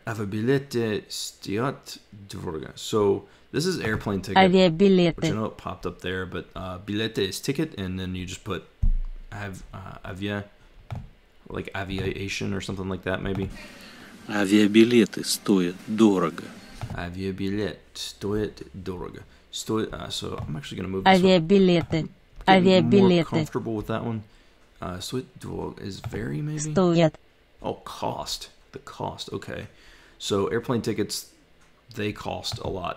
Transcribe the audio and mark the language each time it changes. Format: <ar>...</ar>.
<ru>Авиабилеты стоят дорого.</ru> <en>So, this is airplane ticket.</en> <ru>Авиабилеты.</ru> <en>Which I know it popped up there, but билеты is ticket, and then you just put авиа, like aviation or something like that, maybe.</en> <ru>Авиабилеты стоят дорого. Авиабилет стоит дорого. Стоит.</ru> <en>So I'm actually gonna move.</en> <ru>Авиабилеты. Авиабилеты.</ru> <en>More comfortable with that one.</en> <ru>Стоит дорого</ru> <en>is very maybe.</en> <ru>Стоят.</ru> <en>Oh, cost. The cost. Okay. So airplane tickets, they cost a lot.</en>